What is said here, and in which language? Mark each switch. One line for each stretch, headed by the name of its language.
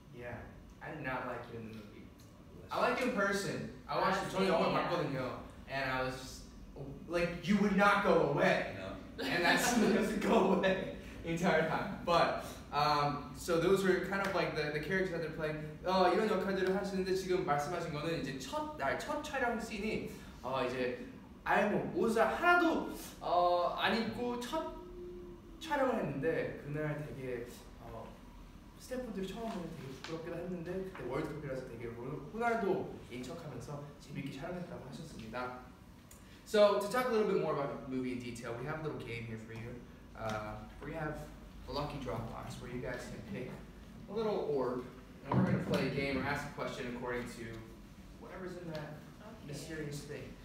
English: Yeah, I did not like you in the movie. I like you in person. I watched the Tony Hawk Marco Ringo, and I was just, like, you would not go away. No. And that's doesn't go away the entire time. But, so those were kind of like the characters that they're playing.
Korean: Oh, 이런 역할들을 하시는데 지금 말씀하신 거는 이제 첫 날, 첫 촬영 씬이, 이제, 아예 뭐, 옷을 하나도, 안 입고 첫 촬영을 했는데, 그날 되게, 스태프분들이 처음 보면 되게 부끄럽기도 했는데, 그때 월드컵이라서 되게 호날두인 척하면서 재밌게 촬영했다고 하셨습니다.
English: So, to talk a little bit more about the movie in detail, we have a little game here for you. We have a lucky draw box where you guys can pick a little orb, and we're going to play a game or ask a question according to whatever's in that mysterious thing.